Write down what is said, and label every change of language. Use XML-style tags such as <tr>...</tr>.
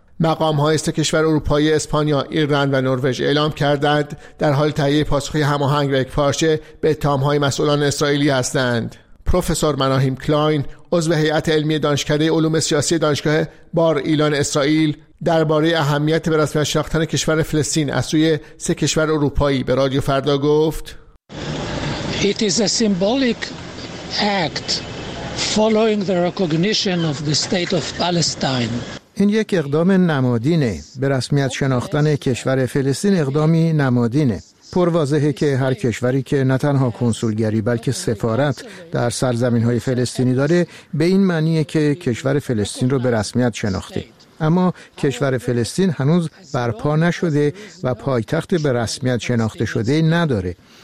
<fa>مقام های است کشور اروپایی اسپانیا، ایرلند و نروژ اعلام کردند در حال تهیه پاسخی هماهنگ و یکپارچه به اتهام های مسئولان اسرائیلی هستند. پروفسور مناهیم کلاین، عضو هیئت علمی دانشکده علوم سیاسی دانشگاه بار ایلان اسرائیل، درباره اهمیت به رسمیت شناختن کشور فلسطین از سوی سه کشور اروپایی به رادیو فردا گفت:</fa> <en>It is a symbolic act following the recognition of the state of Palestine.</en> <fa>این یک اقدام نمادینه. به رسمیت شناختن کشور فلسطین اقدامی نمادینه. پرواضحه که هر کشوری که نه تنها کنسولگری بلکه سفارت در سرزمین‌های فلسطینی داره به این معنیه که کشور فلسطین رو به رسمیت شناخته. اما کشور فلسطین هنوز برپا نشده و پایتخت به رسمیت شناخته شده نداره.</fa>